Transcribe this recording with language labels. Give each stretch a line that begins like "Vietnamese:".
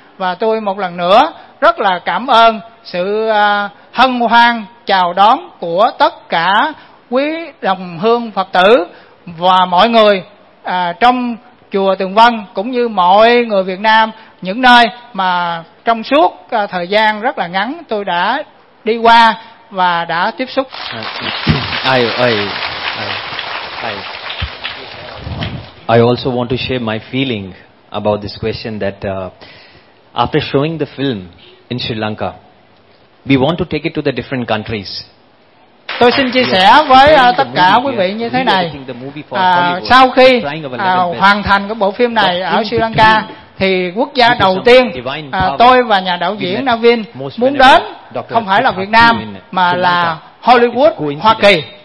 Vietnamese: Và tôi một lần nữa rất là cảm ơn sự hân hoan chào đón của tất cả quý đồng hương Phật tử và mọi người trong chùa Tường Vân, cũng như mọi người Việt Nam, những nơi mà trong suốt thời gian rất là ngắn tôi đã đi qua và đã tiếp xúc.
English: I also want to share my feeling about this question, that after showing the film in Sri Lanka, we want to take it to the different countries.
Vietnamese: Tôi xin chia sẻ với tất cả quý vị như thế này. Sau khi hoàn thành cái bộ phim này ở Sri Lanka, thì quốc gia đầu tiên tôi và nhà đạo diễn Navin muốn đến không phải là Việt Nam mà là Hollywood, Hoa Kỳ.